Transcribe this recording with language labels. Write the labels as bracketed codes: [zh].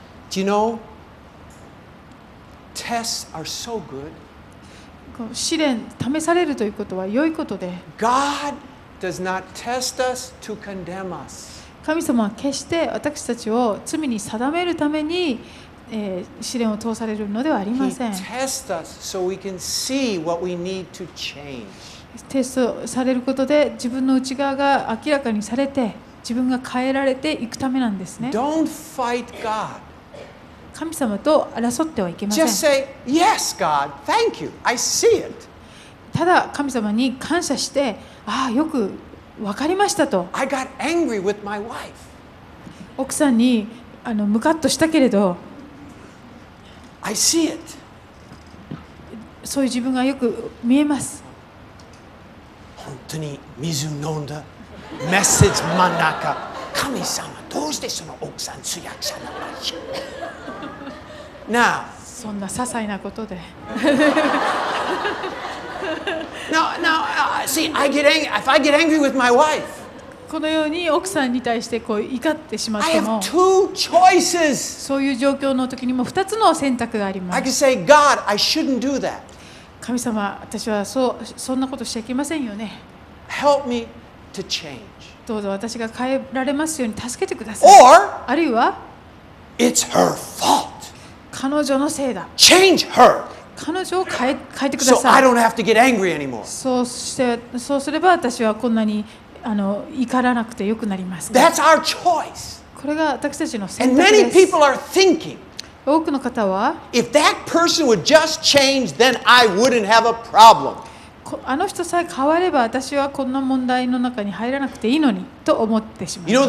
[en] Do you know, tests are so good. [ja] 試練、試されるということは良いことで。 [en] God does not test us to condemn us. [ja] 神様は決して私たちを罪に定めるために、試練を通されるのではありません。 [en] He tests us so we can see what we need to change. [ja] テストされることで自分の内側が明らかにされて自分が変えられていくためなんですね。 [en] Don't fight God. [ja] 神様と争ってはいけません。 [en] Just say, yes, God, thank you. I see it. [ja] ただ神様に感謝して、ああ、よく分かりましたと。 [en] I got angry with my wife. [ja] 奥さんにムカッとしたけれど、 [en] I see it. [ja] そういう自分がよく見えます。本当に水飲んだメッセージ真ん中。神様、どうしてその奥さん通訳者なの？ [en] Now, [ja] そんな些細なことで。 [en] Now, see, I get angry. If I get angry with my wife, [ja] このように奥さんに対してこう怒ってしまっても、 [en] I have two choices. [ja] そういう状況の時にも2つの選択があります。 [en] I can say, God, I shouldn't do that. [ja] 神様、私はそんなことしちゃいけませんよね。 [en] Help me to change. [ja] どうぞ私が変えられますように助けてください。 [en] Or, [ja] あるいは、 [en] It's her fault. [ja] 彼女のせいだ。 [en] Change her. [ja] 彼女を変えてください。 [en] So I don't have to get angry anymore. [ja] そうすれば私はこんなに怒らなくてよくなります。 [en] That's our choice. [ja] これが私たちの選択です。 [en] And many people are thinking, [ja] 多くの方は、 [en] If that person would just change, then I wouldn't have a problem. [ja] あの人さえ変われば私はこんな問題の中に入らなくていいのにと思ってしまいます。